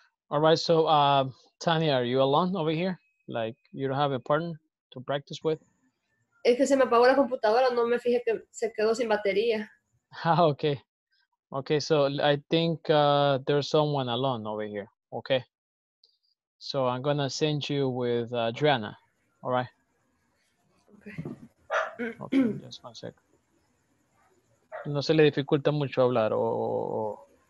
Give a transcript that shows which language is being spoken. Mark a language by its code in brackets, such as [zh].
[en] All right, so Tania, are you alone over here? Like, you don't have a partner to practice with? [es] Es que se me apagó la computadora, no me fijé que se quedó sin batería. [en] Ah, okay. Okay, so I think there's someone alone over here, okay? So I'm gonna send you with Adriana, all right? Okay. Okay, just one sec. [es] No se le dificulta mucho hablar o...